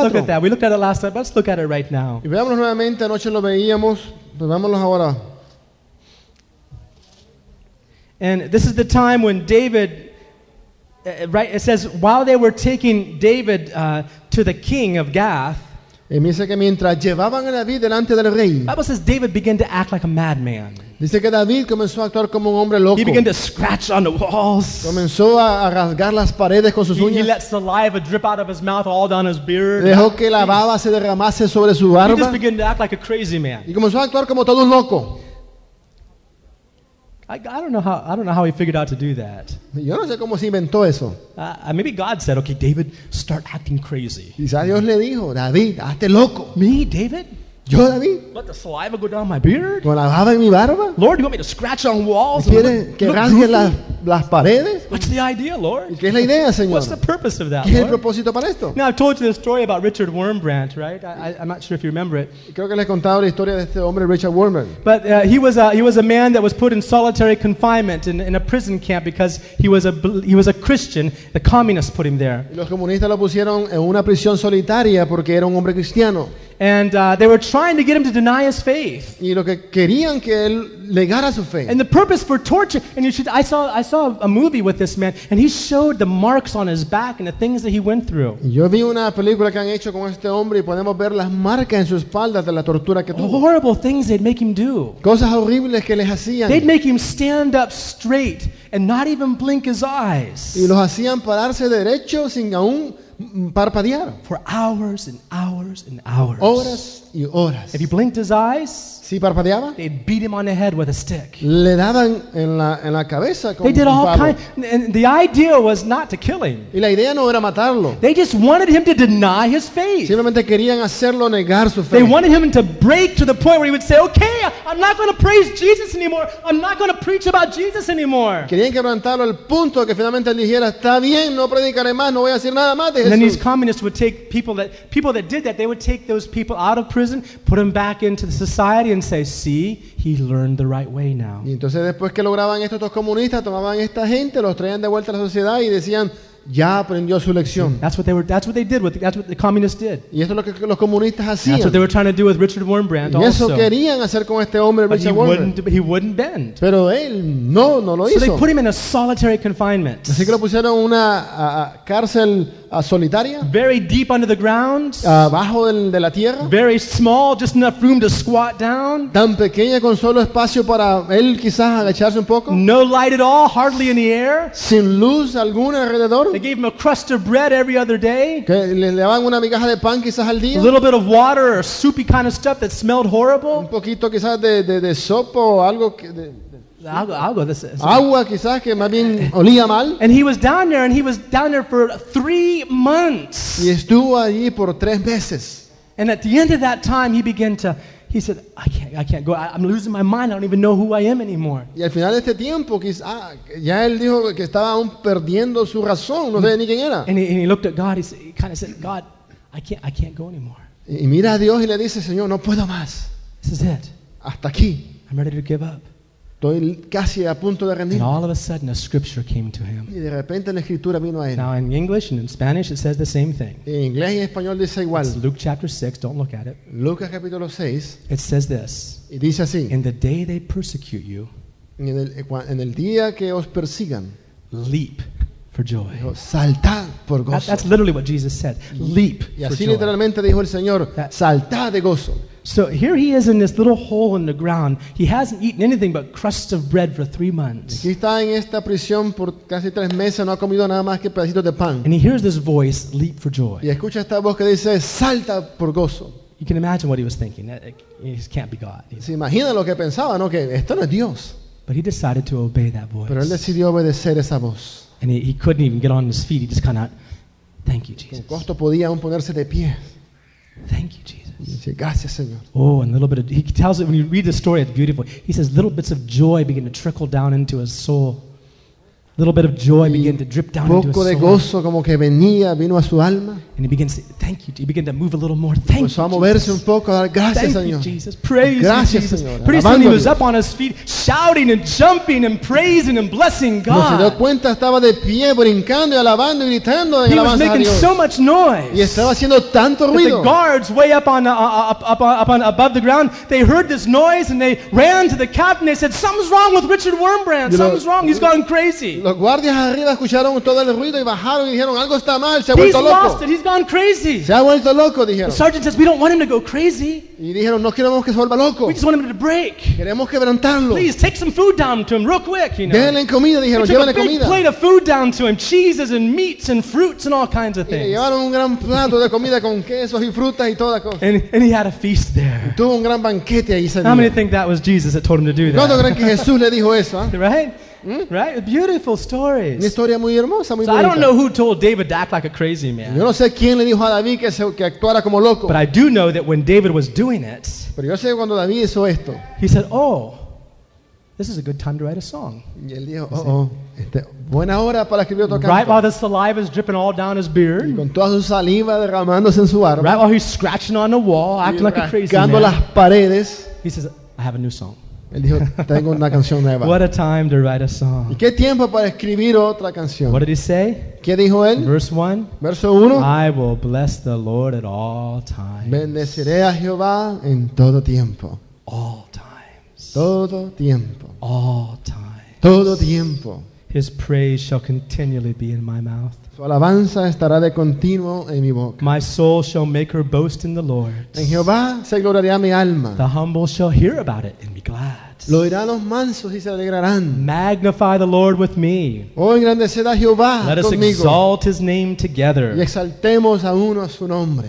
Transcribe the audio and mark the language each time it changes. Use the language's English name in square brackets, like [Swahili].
[English] Let's look at that. We looked at it last night. Let's look at it right now. [Spanish] Y veámoslo nuevamente. Anoche lo veíamos. Pues vámonos ahora. [English] And this is the time when David. Right, it says while they were taking David to the king of Gath. [Spanish] Y dice que mientras llevaban a David delante del rey. [English] The Bible says David began to act like a madman. [Spanish] Dice que David comenzó a actuar como un hombre loco. [English] He began to scratch on the walls. [Spanish] Comenzó a rasgar las paredes con sus uñas. [English] He let saliva drip out of his mouth all down his beard. [Spanish] Dejó que la baba se derramase sobre su barba. [English] He just began to act like a crazy man. [Spanish] Y comenzó a actuar como todo un loco. [English] I don't know how he figured out to do that. [Spanish] Yo no sé cómo se inventó eso. [English] Maybe God said, "Okay, David, start acting crazy." [Spanish] Quizá Dios le dijo, David, hazte loco. [English] Me, David? [Spanish] Yo, David. [English] Let the saliva go down my beard. [Spanish] Con la baba en mi barba. [English] Lord, you want me to scratch on walls? [Spanish] ¿Quieres que rasgue las las paredes. [English] What's the idea, Lord? [Spanish] ¿Qué es la idea, Señor? [English] What's the purpose of that, [Spanish] ¿Qué es el propósito para esto? [English] Now, I've told you the story about Richard Wurmbrand, right? I'm not sure if you remember it. [Spanish] Creo que les he contado la historia de este hombre, Richard Wurmbrand. [English] But he was a man that was put in solitary confinement in a prison camp because he was a Christian. The communists put him there. [Spanish] Los comunistas lo pusieron en una prisión solitaria porque era un hombre cristiano. [English] And they were trying to get him to deny his faith. [Spanish] Y lo que querían que él negara su fe. [English] And the purpose for torture, and I saw a movie with this man, and he showed the marks on his back and the things that he went through. [Spanish] Yo vi una película que han hecho con este hombre y podemos ver las marcas en su espalda de la tortura que tuvo. [English] Horrible things they'd make him do. [Spanish] Cosas horribles que les hacían. [English] They'd make him stand up straight and not even blink his eyes. [Spanish] Y los hacían pararse derecho sin aún parpadear. [English] For hours and hours and hours. [Spanish] Horas y horas. [English] If he blinked his eyes, [Spanish] si parpadeaba, [English] they beat him on the head with a stick. [Spanish] Le daban en la cabeza con [English] they did [Spanish] un [English] all [Spanish] palo. [English] Kind, and the idea was not to kill him. [Spanish] Y la idea no era matarlo. [English] They just wanted him to deny his faith. [Spanish] Simplemente querían hacerlo negar su fe. [English] They wanted him to break to the point where he would say, okay, I'm not going to praise Jesus anymore. I'm not going to preach about Jesus anymore. [Spanish] Querían quebrantarlo al punto que finalmente él dijera, está bien, no predicaré más, no voy a decir nada más de Jesús. [English] And then these communists would take people that did that, they would take those people out of prison, put them back into the society, and say, see, he learned the right way now. [Spanish] Y entonces después que lograban esto, estos comunistas tomaban esta gente, los traían de vuelta a la sociedad y decían, ya aprendió su lección. [English] That's what the communists did. [Spanish] Y esto es lo que los comunistas hacían. [English] That's what they were trying to do with Richard Wurmbrand also. [Spanish] Y eso querían hacer con este hombre, [English] but [Spanish] Richard Wurmbrand. [English] But he wouldn't bend. [Spanish] Pero él no lo [English] so [Spanish] hizo. [English] So they put him in a solitary confinement. [Spanish] Así que lo pusieron en una cárcel solitaria. [English] Very deep under the ground. [Spanish] Abajo de la tierra. [English] Very small, just enough room to squat down. [Spanish] Tan pequeña con solo espacio para él quizás agacharse un poco. [English] No light at all, hardly in the air. [Spanish] Sin luz alguna alrededor. [English] They gave him a crust of bread every other day. [Spanish] Le daban una migaja de pan quizás al día. [English] A little bit of water or soupy kind of stuff that smelled horrible. [Spanish] Un poquito quizás de sopa o algo que [English] algo this is. [Spanish] Agua quizás que más bien olía mal. [English] And he was down there, and he was down there for 3 months. [Spanish] Y estuvo allí por 3 meses. [English] And at the end of that time, he said, I can't go. I'm losing my mind. I don't even know who I am anymore. [Spanish] Y al final de este tiempo, ya él dijo que estaba aún perdiendo su razón. No sé ni quién era. [English] And he looked at God. He kind of said, God, I can't go anymore. [Spanish] Y mira a Dios y le dice, Señor, no puedo más. [English] This is it. [Spanish] Hasta aquí. [English] I'm ready to give up. [Spanish] Estoy casi a punto de rendir. [English] And all of a sudden, a scripture came to him. [Spanish] Y de repente la escritura vino a él. [English] Now in English and in Spanish, it says the same thing. [Spanish] En inglés y español dice igual. [English] It's Luke chapter 6. Don't look at it. [Spanish] Lucas capítulo 6. [English] It says this. [Spanish] Y dice así. [English] In the day they persecute you, [Spanish] en el día que os persigan, [English] leap for joy. [Spanish] Saltad por gozo. [English] That's literally what Jesus said. Leap for joy. [Spanish] Y así literalmente dijo el Señor. Saltad de gozo. [English] So here he is in this little hole in the ground. He hasn't eaten anything but crusts of bread for 3 months. [Spanish] Aquí está en esta prisión por casi 3 meses, no ha comido nada más que pedacitos de pan. [English] And he hears this voice, leap for joy. [Spanish] Y escucha esta voz que dice, salta por gozo. [English] You can imagine what he was thinking. This can't be God. [Spanish] Se imagina lo que pensaba, ¿no? Que esto no es Dios. [English] But he decided to obey that voice. [Spanish] Pero él decidió obedecer esa voz. [English] And he couldn't even get on his feet. He just kind of, thank you, Jesus. [Spanish] Con costo podía aún ponerse de pie. [English] Thank you, Jesus. [Spanish] Dice, gracias, Señor. [English] Oh, and a little bit of, he tells it when you read the story, it's beautiful. He says, little bits of joy begin to trickle down into his soul. A little bit of joy began to drip down [Spanish] poco [English] into his [Spanish] de [English] soul. [Spanish] Gozo como que vino a su alma. [English] And he begins to say, thank you. He began to move a little more. Thank you, [Spanish] a moverse un poco, a dar gracias, [English] thank [Spanish] Señor. [English] You, Jesus. Praise [Spanish] gracias, [English] you, Jesus. [Spanish] Señor. [English] Pretty soon he was [Spanish] Dios. [English] Up on his feet, shouting and jumping and praising and blessing God. [Spanish] Se dio cuenta, estaba de pie, brincando y alabando y gritando en [English] he was making so much noise. [Spanish] Y estaba haciendo tanto ruido. [English] The guards way up on above the ground, they heard this noise and they ran to the captain. They said, something's wrong with Richard Wurmbrand. Something's wrong. He's gone crazy. [Spanish] Los guardias arriba escucharon todo el ruido y bajaron y dijeron, algo está mal, se ha vuelto [English] he's [Spanish] loco. [English] Lost it. He's gone crazy. [Spanish] Se ha vuelto loco, dijeron. [English] The sergeant says, we don't want him to go crazy. [Spanish] Y dijeron, no queremos que se vuelva loco. [English] We just want him to break. [Spanish] Queremos quebrantarlo. [English] Please, take some food down to him real quick, you know. [Spanish] Denle comida, dijeron, llévenle comida. [English] They took a big plate of food down to him, cheeses and meats and fruits and all kinds of things. [Spanish] Y llevaron un gran plato de comida con quesos y frutas y toda cosa. [English] And he had a feast there. [Spanish] Y tuvo un gran banquete ahí ese día. [English] How many think that was Jesus that told him to do that? [Spanish] ¿Cuántos creen que Jesús le dijo eso? [English] Right? Mm. Right, beautiful stories. [Spanish] Una historia muy hermosa, muy [English] so [Spanish] bonita. [English] I don't know who told David to act like a crazy man. [Spanish] Yo no sé quién le dijo a David que actuara como loco. [English] But I do know that when David was doing it, [Spanish] pero yo sé cuando David hizo esto, [English] he said, "Oh, This is a good time to write a song. [Spanish] Y él dijo, buena hora para escribir otro canto. [English] Right while the saliva is dripping all down his beard. [Spanish] Y con toda su saliva derramándose en su barba. [English] Right while he's scratching on the wall, acting like a crazy man. [Spanish] Rascando las paredes. [English] He says, I have a new song. [Spanish] Él dijo, tengo una canción nueva. [English] What a time to write a song. [Spanish] ¿Y qué tiempo para escribir otra canción? [English] What did he say? [Spanish] ¿Qué dijo él? Verso 1. [English] I will bless the Lord at all times. [Spanish] Bendeciré a Jehová en todo tiempo. [English] All times. [Spanish] Todo tiempo. [English] All times. [Spanish] Todo tiempo. [English] His praise shall continually be in my mouth. [Spanish] Su alabanza estará de continuo en mi boca. [English] My soul shall make her boast in the Lord. [Spanish] En Jehová se gloriará mi alma. [English] The humble shall hear about it and be glad. [Spanish] Lo oirán los mansos y se alegrarán. [English] Magnify the Lord with me. [Spanish] Oh, engrandeced a Jehová [English] Let us [Spanish] conmigo. [English] Exalt his name together. [Spanish] Y exaltemos a uno a su nombre.